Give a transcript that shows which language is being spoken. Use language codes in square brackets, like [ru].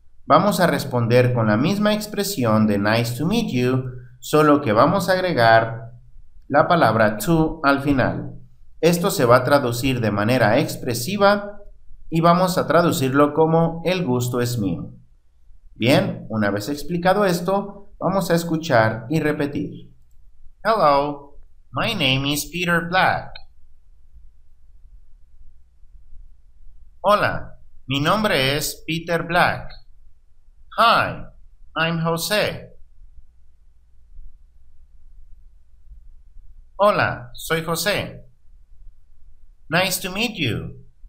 [es] Vamos a responder con la misma expresión de [en] nice to meet you, [es] solo que vamos a agregar la palabra to al final. Esto se va a traducir de manera expresiva y vamos a traducirlo como el gusto es mío. Bien, una vez explicado esto, vamos a escuchar y repetir. [en] Hello, my name is Peter Black. [es] Hola, mi nombre es Peter Black. [en] Hi, I'm Jose. [es] Hola, soy Jose. [en] Nice to meet you.